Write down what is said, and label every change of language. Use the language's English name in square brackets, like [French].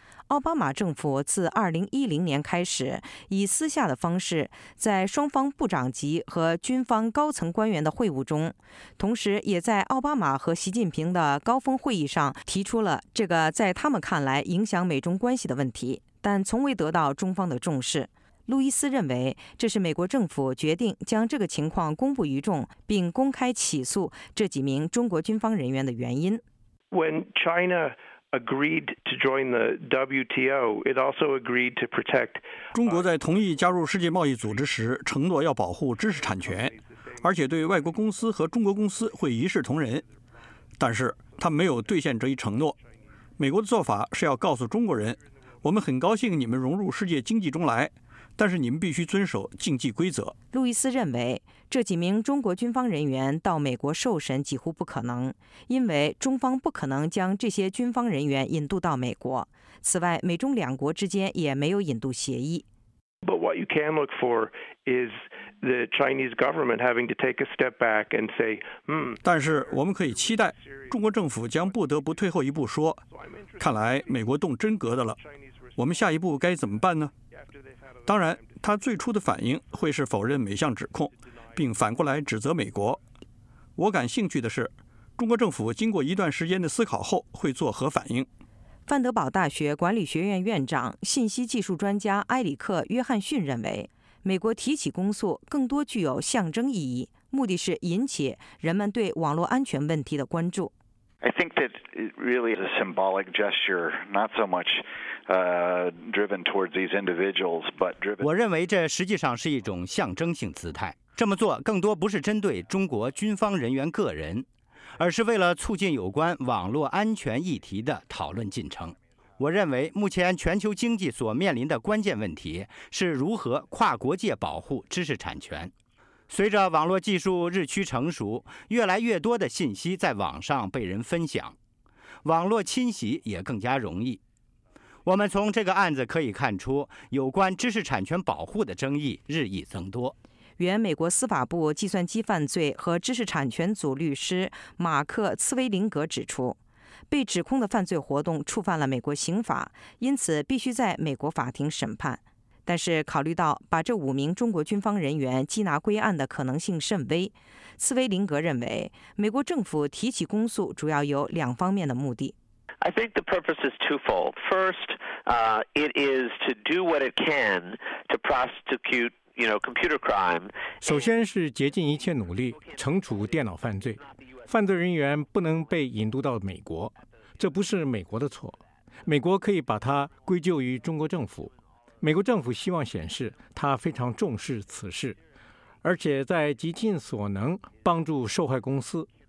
[Chinese] 奥巴马政府自2010年开始，以私下的方式，在双方部长级和军方高层官员的会晤中，同时也在奥巴马和习近平的高峰会议上提出了这个在他们看来影响美中关系的问题，但从未得到中方的重视。路易斯认为，这是美国政府决定将这个情况公布于众，并公开起诉这几名中国军方人员的原因。 [English] When China agreed to join the WTO, it also agreed to protect. [Chinese] 中国在同意加入世界贸易组织时，承诺要保护知识产权，而且对外国公司和中国公司会一视同仁。但是，他没有兑现这一承诺。美国的做法是要告诉中国人，我们很高兴你们融入世界经济中来，但是你们必须遵守竞技规则。路易斯认为，这几名中国军方人员到美国受审几乎不可能，因为中方不可能将这些军方人员引渡到美国。此外，美中两国之间也没有引渡协议。 [English] But what you can look for is the Chinese government having to take a step back and say, [Chinese] 但是我们可以期待中国政府将不得不退后一步说，看来美国动真格的了，我们下一步该怎么办呢？当然，他最初的反应会是否认每项指控，并反过来指责美国。我感兴趣的是，中国政府经过一段时间的思考后会作何反应。范德堡大学管理学院院长、信息技术专家埃里克·约翰逊认为，美国提起公诉更多具有象征意义，目的是引起人们对网络安全问题的关注。 [English] I think that it really is a symbolic gesture, not so much driven towards these individuals, but driven. [Chinese] 我认为这实际上是一种象征性姿态。这么做更多不是针对中国军方人员个人，而是为了促进有关网络安全议题的讨论进程。我认为目前全球经济所面临的关键问题是如何跨国界保护知识产权。随着网络技术日趋成熟，越来越多的信息在网上被人分享，网络侵袭也更加容易。我们从这个案子可以看出，有关知识产权保护的争议日益增多。原美国司法部计算机犯罪和知识产权组律师马克·茨威林格指出，被指控的犯罪活动触犯了美国刑法，因此必须在美国法庭审判。但是考虑到把这五名中国军方人员缉拿归案的可能性甚微，茨威林格认为美国政府提起公诉主要有两方面的目的。 [English] I think the purpose is twofold. First, it is to do what it can to prosecute, you know, computer crime. [Chinese] 首先是竭尽一切努力惩处电脑犯罪，犯罪人员不能被引渡到美国，这不是美国的错，美国可以把它归咎于中国政府。美国政府希望显示他非常重视此事，而且在极尽所能帮助受害公司。